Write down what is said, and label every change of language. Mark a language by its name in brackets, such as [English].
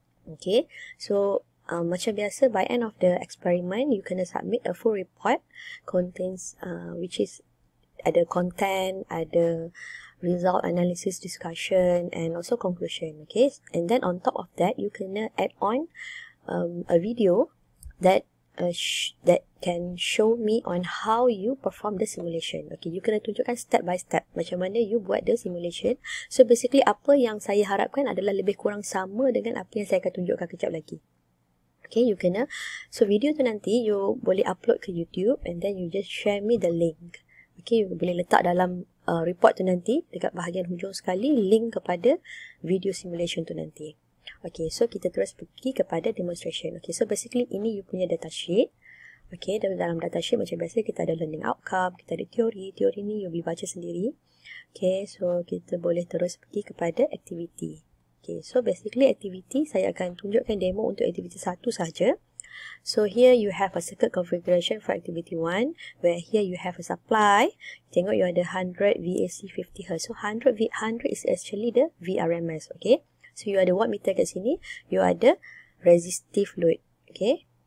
[English] Okey, so [Malay] macam biasa, [English] by end of the experiment, you kena submit a full report contains which is ada content, ada result analysis discussion and also conclusion. Okay, and then on top of that, you kena add on a video that that can show me on how you perform the simulation. Okay, you [Malay] kena tunjukkan [English] step by step [Malay] macam mana [English] you buat the simulation. [Malay] So basically, apa yang saya harapkan adalah lebih kurang sama dengan apa yang saya akan tunjukkan kejap lagi. [English] Okay, you kena. So, video tu nanti you boleh upload ke YouTube and then you just share me the link. [Malay] Okay, you boleh letak dalam report tu nanti dekat bahagian hujung sekali link kepada video simulation tu nanti. Okay, so kita terus pergi kepada demonstration. Okay, so basically ini you punya data sheet. Okay, dan dalam data sheet macam biasa kita ada learning outcome, kita ada teori. Teori ni you boleh baca sendiri. Okay, so kita boleh terus pergi kepada activity. Okay, so basically activity, saya akan tunjukkan demo untuk activity 1 sahaja. [English] So here you have a circuit configuration for activity 1, where here you have a supply. [Malay] Tengok you ada [English] 100 VAC 50Hz. So 100 is actually the VRMS, okay. [Malay] So you ada wattmeter kat sini, you ada resistive load, okay.